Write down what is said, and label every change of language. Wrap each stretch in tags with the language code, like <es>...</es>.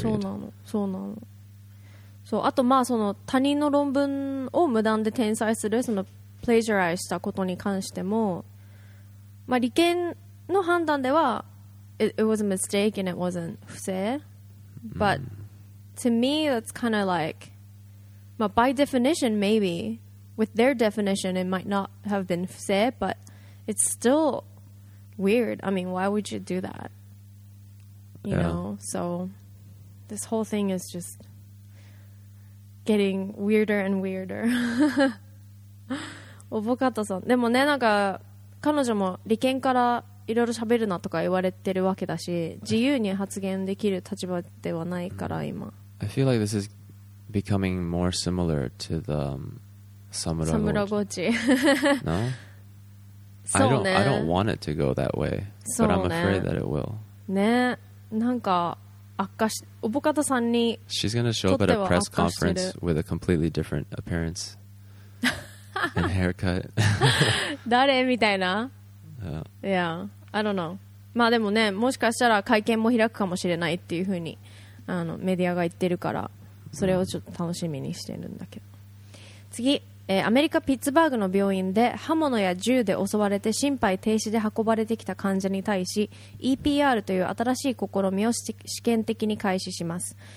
<ja>そうなの、そうなの。そう、あとまあその他人の論文を無断で転載するそのプレジャライズしたことに関しても、まあ、理研の判断では</ja> <en>It was a mistake and it wasn't 不正 But to me that's kind of like、まあ、By definition maybe With their definition it might not have been 不正 But it's still weird I mean why would you do that You、 yeah. know So this whole thing is justGetting weirder and weirder.</en> <ja>オボカタさん。でもね、なんか彼女も利権からいろいろ喋るなとか言われてるわけだし、自由に発言できる立場ではないから今。</ja> <en>I feel like this is becoming more similar to the Samuragochi. No.</en> <ja>そうね。</ja> <en>I don't want it to go that way.</en> <ja>そうね。</ja> <en>But I'm afraid that it will.</en> <ja>ね、なんか。オボカタさんに</ja> <en>She's gonna show up at a press conference with a completely different appearance and haircut.</en> <ja>誰みたいな</ja> <en>Yeah. I don't know.</en> <ja>まあでもね、もしかしたら会見も開くかもしれないっていうふうにあのメディアが言ってるから、それをちょっと楽しみにしてるんだけど。次、アメリカ・ピッツバーグの病院で刃物や銃で襲われて心肺停止で運ばれてきた患者に対し EPR という新しい試みを試験的に開始します。</ja>